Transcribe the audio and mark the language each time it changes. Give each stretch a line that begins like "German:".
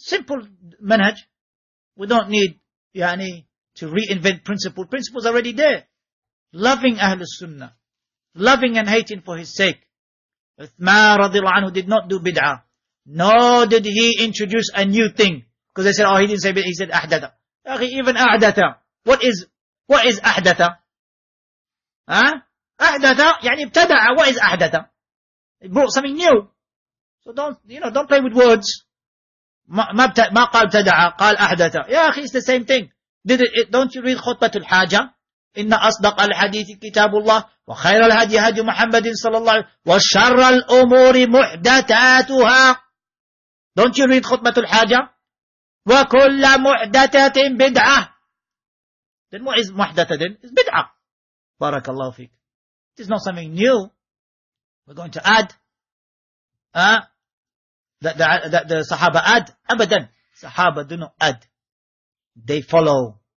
English: Simple manhaj. We don't need yani to reinvent principle. Principle's already there. Loving Ahlul Sunnah, loving and hating for his sake. Uthman radiallahu anhu did not do bid'ah, nor did he introduce a new thing. Because they said, oh, he didn't say bid'ah. He said ahdatha. Even ahdatha. What is
Arabic: أحدثة؟ أحدثة يعني ابتدع.
English: What is أحدثة؟ It brought something new. So don't play with words.
Arabic: ما قال ابتدع قال أحدثة. يا أخي,
English: it's the same thing. Don't you read
Arabic: خطبة الحاجة؟ إن أصدق الحديث كتاب الله وخير الهدي هدي محمد صلى الله عليه وسلم وشر الأمور محدثاتها.
English: Don't you read
Arabic: خطبة الحاجة؟ وكل محدثة بدعة.
English: Then what is muhdatha then? It's bid'ah. Barakallahu feek. It is not something new. We're going to add. That the sahaba add. Abadan. Sahaba do not add. They follow.